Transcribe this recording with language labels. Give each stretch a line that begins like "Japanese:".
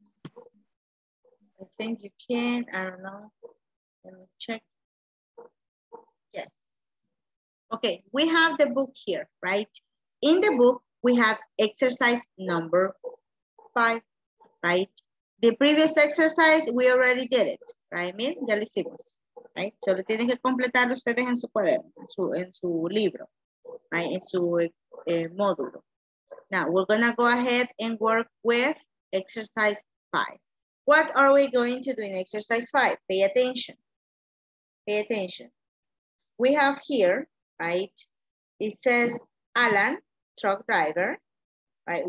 English: I think you can. I don't know. Let me check. Yes. Okay, we have the book here, right? In the book, we have exercise number 5, right? The previous exercise, we already did it, right?
Spanish: Mir, ya lo hicimos,
English: right?
Spanish: Solo tienen que completar ustedes en su cuaderno, en su libro,
English: right?
Spanish: En su módulo.
English: Now, we're gonna go ahead and work with exercise 5. What are we going to do in exercise 5? Pay attention. Pay attention. We have here, right? It says, Alan, truck driver, right?